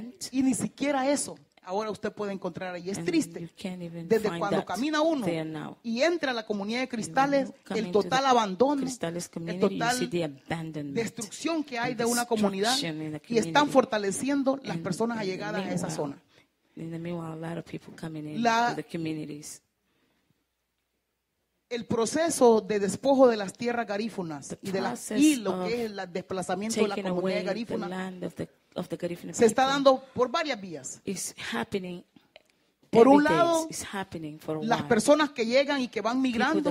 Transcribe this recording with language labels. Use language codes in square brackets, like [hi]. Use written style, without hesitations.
[es] Y ni siquiera eso. Ahora usted puede encontrar ahí. Es triste. Desde cuando camina uno y entra a la comunidad de Cristales, el total abandono, el total destrucción que hay de una comunidad y están fortaleciendo las personas allegadas a esa zona. [en] In the meanwhile, a lot of people coming in to the communities. [es] El proceso de despojo de las tierras garífunas y de las y lo que es el desplazamiento de la comunidad garífuna [en] of the Garifuna [es] se está dando por varias vías. [en] It's happening. [es] Por un lado, [en] it's happening for a while. [es] Las personas que llegan y que van migrando,